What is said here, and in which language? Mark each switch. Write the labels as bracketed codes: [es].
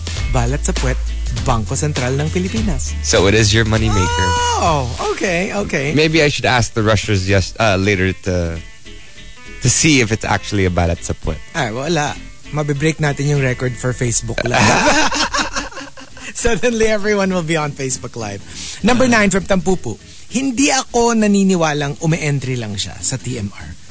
[tl] Balat sa puwet, Banko Sentral ng Pilipinas. [en] So it is your money maker. Oh, okay. Maybe I should ask the rushers later to see if it's actually a balat sa puwet. [tl] Ay, wala. Mabibreak natin yung record for Facebook Live. [en] Suddenly everyone will be on Facebook Live. Number 9 from Tampupu. [tl] Hindi ako naniniwalang umi-entry lang siya sa TMR.